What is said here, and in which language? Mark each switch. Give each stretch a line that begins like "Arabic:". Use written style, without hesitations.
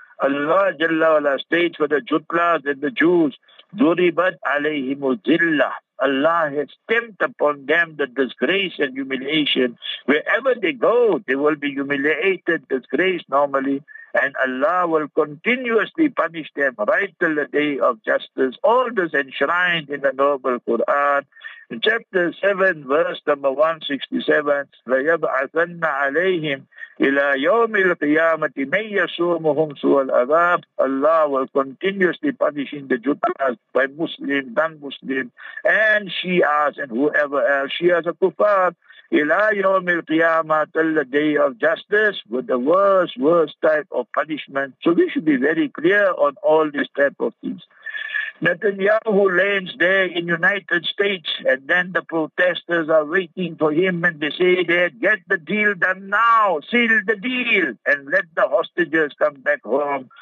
English: Allah Jalla Wala states for the Jutlas and the Jews,
Arabic: Duribat alayhimu zilla.
English: Allah has stamped upon them the disgrace and humiliation. Wherever they go, they will be humiliated, disgraced normally, and Allah will continuously punish them right till the day of justice. All this enshrined in the noble Quran. Chapter 7, verse number 167,
Arabic: وَيَبْعَثَنَّ عَلَيْهِمْ إِلَىٰ يَوْمِ الْقِيَامَةِ مَنْ يَسُومُهُمْ سُوَ الْعَذَابِ.
English: Allah will continuously punish the Jutlas by Muslim, non-Muslim, and Shias, and whoever else. Shias are kuffar.
Arabic: إِلَىٰ يَوْمِ الْقِيَامَةِ
English: till the day of justice, with the worst type of punishment. So we should be very clear on all these type of things. Netanyahu lands there in United States, and then the protesters are waiting for him, and they say that, get the deal done now, seal the deal, and let the hostages come back home.